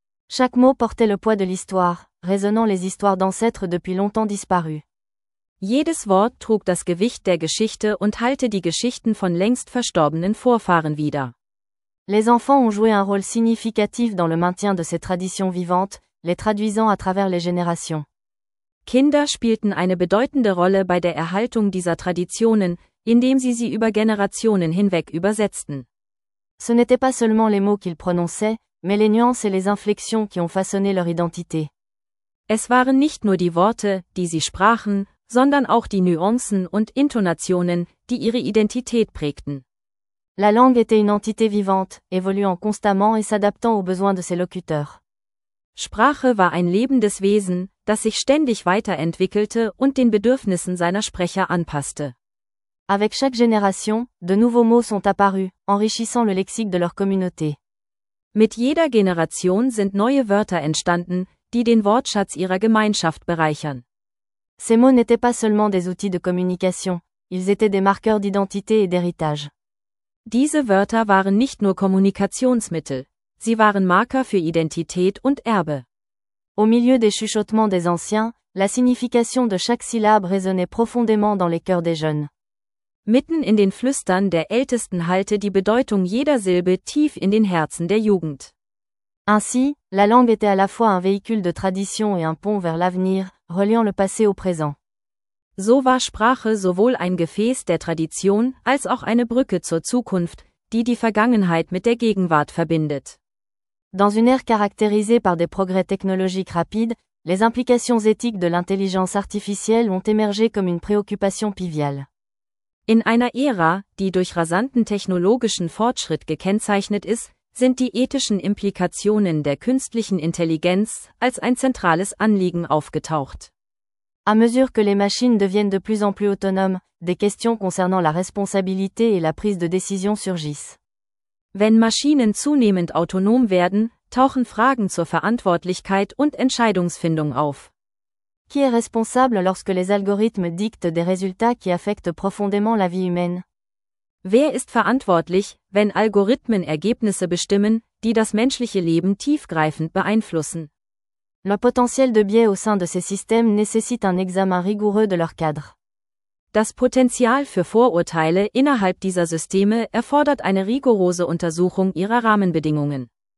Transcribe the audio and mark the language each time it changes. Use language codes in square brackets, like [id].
[fr] Chaque mot portait le poids de l'histoire, résonnant les histoires d'ancêtres depuis longtemps disparus. [de] Jedes Wort trug das Gewicht der Geschichte und hallte die Geschichten von längst verstorbenen Vorfahren wider. [fr] Les enfants ont joué un rôle significatif dans le maintien de ces traditions vivantes, les traduisant à travers les générations. [de] Kinder spielten eine bedeutende Rolle bei der Erhaltung dieser Traditionen, indem sie sie über Generationen hinweg übersetzten. [fr] Ce n'était pas seulement les mots qu'ils prononçaient, mais les nuances et les inflexions qui ont façonné leur identité. [de] Es waren nicht nur die Worte, die sie sprachen, sondern auch die Nuancen und Intonationen, die ihre Identität prägten. [fr] La langue était une entité vivante, évoluant constamment et s'adaptant aux besoins de ses locuteurs. [de] Sprache war ein lebendes Wesen, das sich ständig weiterentwickelte und den Bedürfnissen seiner Sprecher anpasste. [fr] Avec chaque génération, de nouveaux mots sont apparus, enrichissant le lexique de leur communauté. [de] Mit jeder Generation sind neue Wörter entstanden, die den Wortschatz ihrer Gemeinschaft bereichern. [fr] Ces mots n'étaient pas seulement des outils de communication, ils étaient des marqueurs d'identité et d'héritage. [de] Diese Wörter waren nicht nur Kommunikationsmittel, sie waren Marker für Identität und Erbe. [fr] Au milieu des chuchotements des anciens, la signification de chaque syllabe résonnait profondément dans les cœurs des jeunes. [de] Mitten in den Flüstern der Ältesten hallte die Bedeutung jeder Silbe tief in den Herzen der Jugend. [fr] Ainsi, la langue était à la fois un véhicule de tradition et un pont vers l'avenir, reliant le passé au présent. [de] So war Sprache sowohl ein Gefäß der Tradition als auch eine Brücke zur Zukunft, die die Vergangenheit mit der Gegenwart verbindet. [fr] Dans une ère caractérisée par des progrès technologiques rapides, les implications éthiques de l'intelligence artificielle ont émergé comme une préoccupation piviale. [de] In einer Ära, die durch rasanten technologischen Fortschritt gekennzeichnet ist, sind die ethischen Implikationen der künstlichen Intelligenz als ein zentrales Anliegen aufgetaucht. [fr] À mesure que les machines deviennent de plus en plus autonomes, des questions concernant la responsabilité et la prise de décision surgissent. [de] Wenn Maschinen zunehmend autonom werden, tauchen Fragen zur Verantwortlichkeit und Entscheidungsfindung auf. [fr] Qui est responsable lorsque les algorithmes dictent des résultats qui affectent profondément la vie humaine? [de] Wer ist verantwortlich, wenn Algorithmen Ergebnisse bestimmen, die das menschliche Leben tiefgreifend beeinflussen? [fr] Le potentiel de biais au sein de ces systèmes nécessite un examen rigoureux de leur cadre. [de] Das Potenzial für Vorurteile innerhalb dieser Systeme erfordert eine rigorose Untersuchung ihrer Rahmenbedingungen.